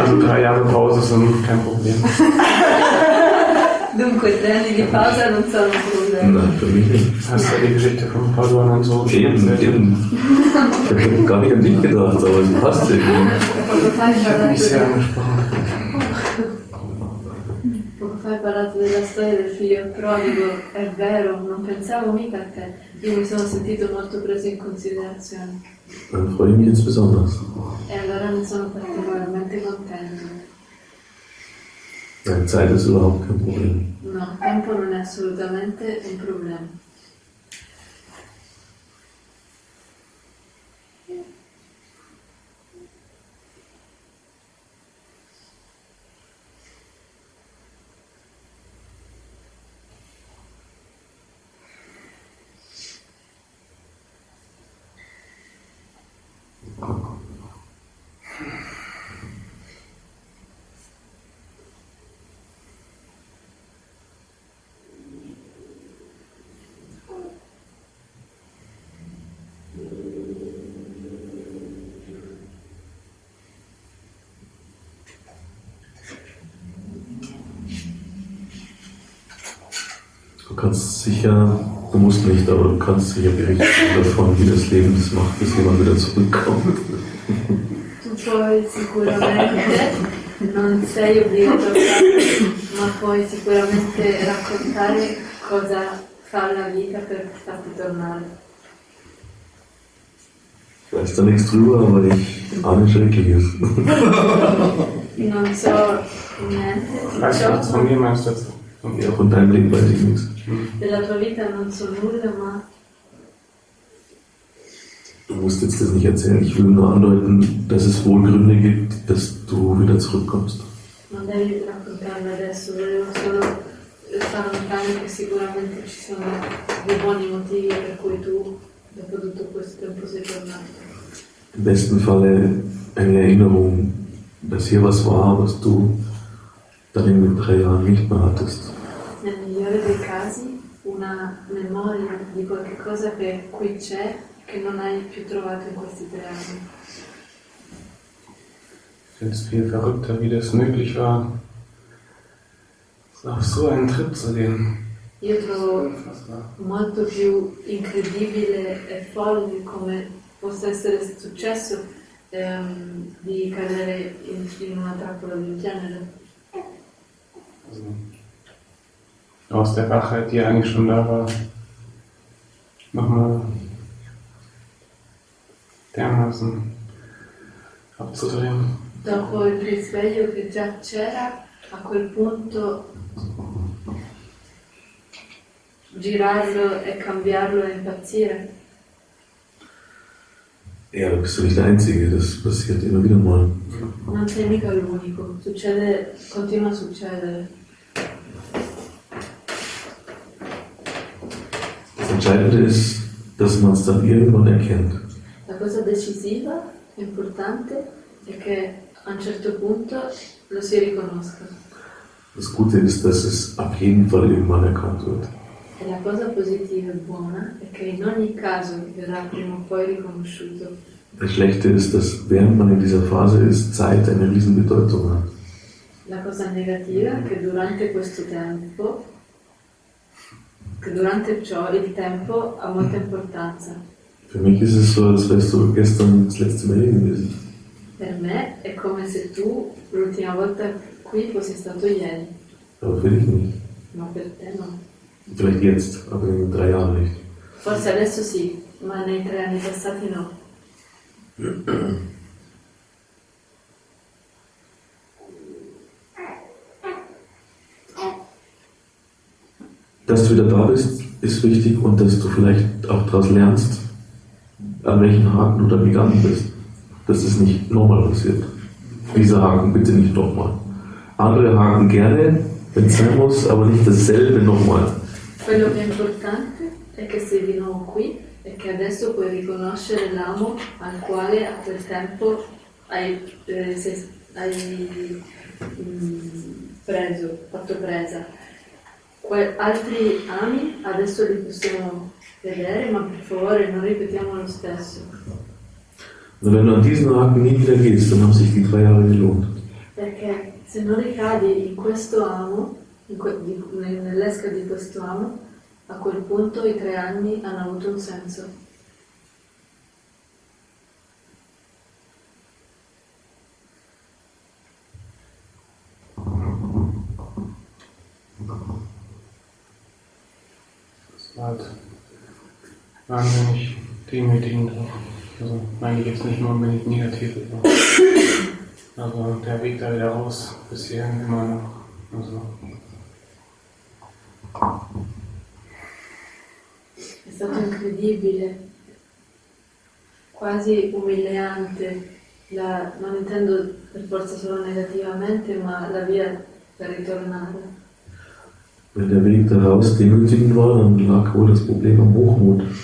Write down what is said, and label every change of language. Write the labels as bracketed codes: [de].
[de] Also 3 Jahre Pause sind kein Problem. [it] Dunque, 3 anni di pausa non sono un problema. [de] Nein, für mich nicht. Hast du die Geschichte von Padua und so? Eben, eben. Ich habe gar nicht an dich gedacht, aber sie passt dir. Ich habe mich sehr angesprochen. [it] Hai parlato della storia del figlio prodigo, è vero, non pensavo mica a te. Io mi sono sentito molto preso in considerazione. [de] Dann freue ich mich jetzt besonders. [it] E allora ne sono particolarmente contento. [de] Deine Zeit ist überhaupt kein Problem. [it] No, tempo non è assolutamente un problema. [de] Du kannst sicher, du musst nicht, aber du kannst sicher berichten davon, wie das Leben das macht, bis jemand wieder zurückkommt. [it] Du puoi sicuramente, non sei obbligato a farlo, ma puoi sicuramente raccontare cosa fa la vita per farti tornare. [de] Ich weiß da nichts drüber, aber ich ahne Schreckliches. [it] Non so niente. [de] Weißt du, von mir meinst du das? Ja, von deinem Leben weiß ich nichts. [it] Della tua vita non so nulla, ma... [de] Du musst jetzt das nicht erzählen, ich will nur andeuten, dass es wohl Gründe gibt, dass du wieder zurückkommst. [it] Non devi raccontarmi adesso, volevo solo far notare che sicuramente ci sono dei buoni motivi per cui tu, dopo tutto questo tempo, sei tornato. [de] Im besten Falle eine Erinnerung, dass hier was war, was du darin mit 3 Jahren nicht mehr hattest. [it] Nel migliore dei casi, una memoria di qualche cosa che qui c'è, che non hai più trovato in questi 3 anni. [de] Ich finde es viel verrückter, wie das möglich war, auf so einen Trip zu gehen. [it] Io trovo molto più incredibile e folle come possa essere successo di cadere in una trappola del genere. [de] Aus der Wachheit, die eigentlich schon da war, nochmal dermaßen abzudrehen. [it] Dopo il risveglio che già c'era, a quel punto girarlo e cambiarlo e impazzire. [de] Ja, du bist nicht der Einzige, das passiert immer wieder mal. [it] Non sei mica l'unico, succede, continua a succedere. [de] Das Entscheidende ist, dass man es dann irgendwann erkennt. [it] La cosa decisiva, importante, è che a un certo punto lo si riconosca. [de] Das Gute ist, dass es auf jeden Fall irgendwann erkannt wird. [it] E la cosa positiva e buona è che in ogni caso verrà prima o poi riconosciuto. [de] Das Schlechte ist, dass während man in dieser Phase ist, Zeit eine riesen Bedeutung hat. [it] La cosa negativa è che durante questo tempo durante ciò il tempo ha molta importanza. [de] Für mich ist es so, als wärst du gestern das letzte Mal hier gewesen. [it] Per me è come se tu l'ultima volta qui fossi stato ieri. [de] Aber für dich nicht. [it] Ma per te no. [de] Vielleicht jetzt, aber in 3 Jahren nicht. [it] Forse adesso sì, ma nei 3 anni passati no. [de] Dass du wieder da bist, ist wichtig und dass du vielleicht auch daraus lernst. an welchen Haken du dann gegangen bist, dass es nicht nochmal passiert. Dieser Haken bitte nicht nochmal. Andere Haken gerne, wenn es sein muss, aber nicht dasselbe nochmal. [it] Quello che è importante è che sei di nuovo qui e che adesso puoi riconoscere l'amo al quale a quel tempo hai fatto presa. Altri ami adesso li possiamo vedere, ma per favore non ripetiamo lo stesso. [de] Ma wenn du an diesen Haken nie wieder gehst, dann haben sich die drei Jahre gelohnt. [it] Perché se non ricadi in questo amo, nell'esca di questo amo, a quel punto i tre anni hanno avuto un senso. [de] Halt wahnsinnig demütigend auch. Also meine ich jetzt nicht nur unbedingt negativ, aber der Weg da wieder raus bisher immer noch. Also. [it] È stato incredibile, quasi umiliante, non intendo per forza solo negativamente, ma la via per ritornare. [de] Wenn der Weg daraus demütigend war, dann lag wohl das Problem am Hochmut.